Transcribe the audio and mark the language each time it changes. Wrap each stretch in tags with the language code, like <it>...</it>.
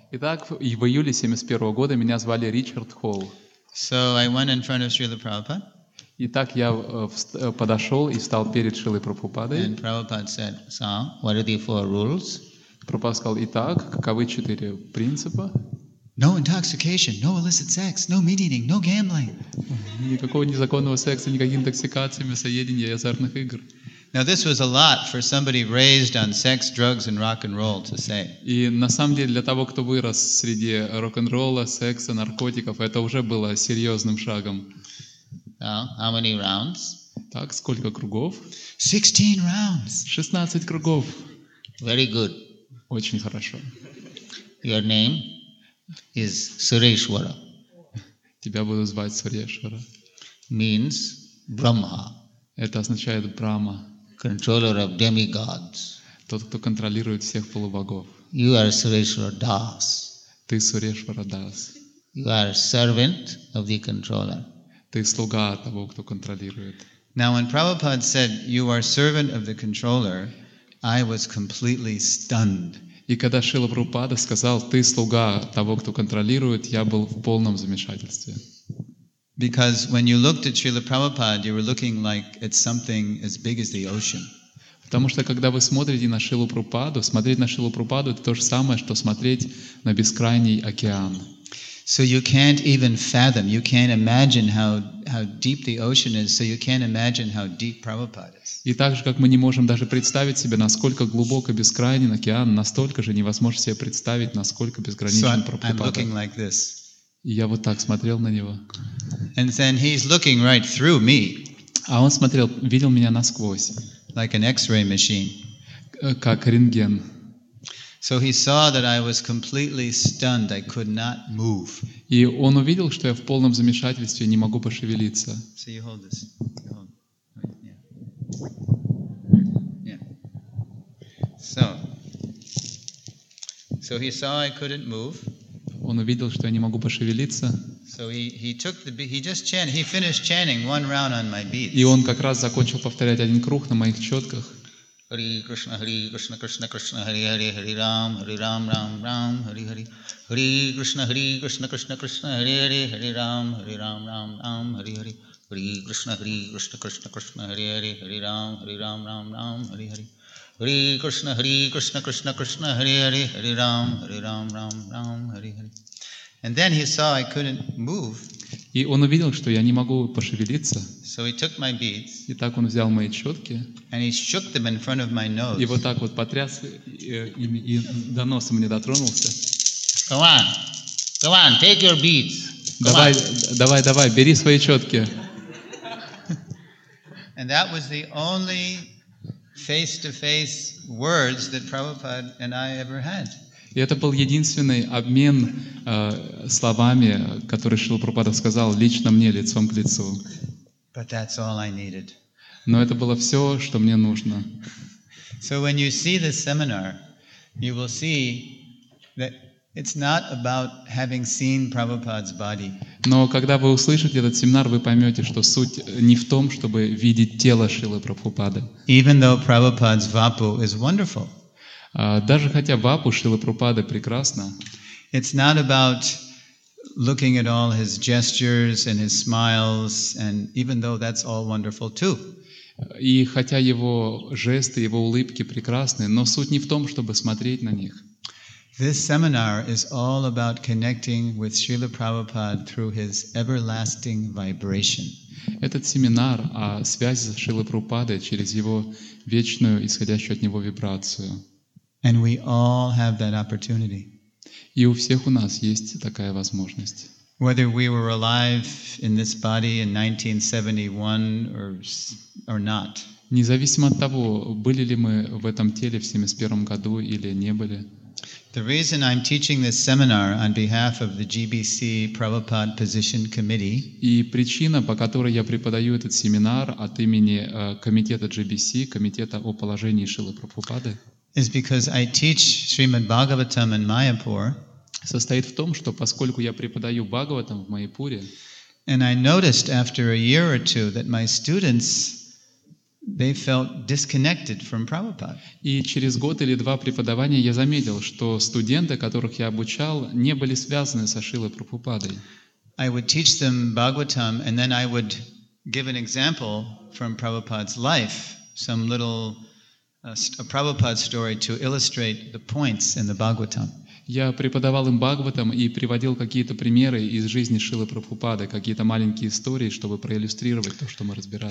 <ru>Итак, в июле 71 года меня звали Ричард Холл.</ru> <en>So I went in front of Srila Prabhupada.</en> <ru>Итак, я подошел и встал перед Шрилой Прабхупадой.</ru> <en>And Prabhupada said, so, what are the four rules?</en> <ru>Прабхупада сказал, итак, каковы четыре принципа?</ru> <en>No intoxication, no illicit sex, no meat eating, no gambling.</en> <ru>Никакого незаконного секса, никакой интоксикации, мясоедения и азартных игр.</ru> <en>Now this was a lot for somebody raised on sex, drugs, and rock and roll to say.</en> <ru>И на самом деле для того, кто вырос среди рок-н-ролла, секса, наркотиков, это уже было серьезным шагом.</ru> <en>How many rounds?</en> <ru>Так, сколько кругов?</ru> <en>16 rounds.</en> <ru>16 кругов.</ru> <en>Very good.</en> <ru>Очень хорошо.</ru> <en>Your name is Sureshwara.</en> <ru>Тебя буду звать Сурешвара.</ru> <en>Means Brahma.</en> <ru>Это означает Брама.</ru> <en>Controller of demigods.</en> <ru>Тот, кто контролирует всех полубогов.</ru> <en>You are Sureshwara Das.</en> <ru>Ты Сурешвара Дас.</ru> <en>You are servant of the controller.</en> <ru>Ты слуга того, кто контролирует.</ru> <en>Now when Prabhupada said, you are servant of the controller, I was completely stunned.</en> <ru>И когда Шрила Прабхупада сказал, ты слуга того, кто контролирует, я был в полном замешательстве.</ru> <en>Because when you looked at Srila Prabhupada, you were looking like at something as big as the ocean.</en> <ru>Потому что когда вы смотрите на Шрилу Прабхупаду, смотреть на Шрилу Прабхупаду это то же самое, что смотреть на бескрайний океан.</ru> <en>So you can't even fathom, you can't imagine how deep the ocean is, so you can't imagine how deep Prabhupada is.</en> <ru>И так же, как мы не можем даже представить себе, насколько глубок и бескрайний океан, настолько же невозможно себе представить, насколько безграничен Прабхупада.</ru> <en>So I'm looking like this.</en> <ru>И я вот так смотрел на него.</ru> <en>And then he's looking right through me.</en> <ru>А он смотрел, видел меня насквозь.</ru> <en>Like an X-ray machine.</en> <ru>Как рентген.</ru> <en>So he saw that I was completely stunned. I could not move.</en> <ru>И он увидел, что я в полном замешательстве, не могу пошевелиться.</ru> <en>So you hold this. You hold. Yeah. Yeah. So he saw I couldn't move.</en> <ru>Он увидел, что я не могу пошевелиться.</ru> <en>So he finished chanting one round on my beats.</en> <ru>И он как раз закончил повторять один круг на моих четках.</ru> <sa>Hare Krishna, Hare Krishna, Krishna Krishna, Hare Hare, Hare Ram, Hare Ram, Ram Ram, Hare Hare. Hare Krishna, Hare Krishna, Krishna Krishna, Hare Hare, Hare Ram, Hare Ram, Ram Ram, Hare Hare. Hare Krishna, Hare Krishna, Krishna Krishna, Hare Hare, Hare Ram, Hare Ram, Ram Ram, Hare Hare. Hare Krishna, Hare Krishna, Krishna Krishna, Hare Hare, Hare Ram, Hare Ram, Ram Ram, Hare Hare.</sa> <en>And then he saw I couldn't move.</en> <ru>И он увидел, что я не могу пошевелиться.</ru> <en>So he took my beads.</en> <ru>И так он взял мои четки.</ru> <en>And he shook them in front of my nose.</en> <ru>И вот так вот потряс и до носа мне дотронулся.</ru> <en>Come on, come on, take your beads.</en> <ru>Давай, бери свои четки.</ru> <en>And that was the only face-to-face words that Prabhupada and I ever had.</en> <ru>И это был единственный обмен словами, который Шрила Прабхупада сказал лично мне, лицом к лицу.</ru> <en>But that's all I needed.</en> <ru>Но это было все, что мне нужно.</ru> <en>So when you see this seminar, you will see that it's not about having seen Prabhupada's body.</en> <ru>Но когда вы услышите этот семинар, вы поймете, что суть не в том, чтобы видеть тело Шрилы Прабхупады.</ru> <en>Even though Prabhupada's vapu is wonderful.</en> <ru>Даже хотя вапу Шрилы Прабхупады прекрасна.</ru> <en>It's not about looking at all his gestures and his smiles, and even though that's all wonderful too.</en> <ru>И хотя его жесты, его улыбки прекрасны, но суть не в том, чтобы смотреть на них.</ru> <en>This seminar is all about connecting with Srila Prabhupada through his everlasting vibration.</en> <ru>Этот семинар о связи с Шрилой Прабхупадой через его вечную, исходящую от него вибрацию.</ru> <en>And we all have that opportunity.</en> <ru>И у всех у нас есть такая возможность.</ru> <en>Whether we were alive in this body in 1971 or not.</en> <ru>Независимо от того, были ли мы в этом теле в 71 году или не были.</ru> <en>The reason I'm teaching this seminar on behalf of the GBC Prabhupada Position Committee.</en> <ru>И причина, по которой я преподаю этот семинар от имени комитета GBC, комитета о положении Шрилы Прабхупады,</ru> <en>is because I teach Srimad Bhagavatam in Mayapur.</en> <ru>Состоит в том, что поскольку я преподаю Бхагаватам в Майпуре,</ru> <en>and I noticed after a year or two that my students they felt disconnected from Prabhupada.</en> <ru>И через год или два преподавания я заметил, что студенты, которых я обучал, не были связаны со Шрилой Прабхупадой.</ru> <en>I would teach them Bhagavatam and then I would give an example from Prabhupada's life, some little a Prabhupada story to illustrate the points in the Bhagavatam.</en> <ru>Я преподавал им Бхагаватам и приводил какие-то примеры из жизни Шрилы Прабхупады, какие-то маленькие истории, чтобы проиллюстрировать то, что мы разбирали.</ru>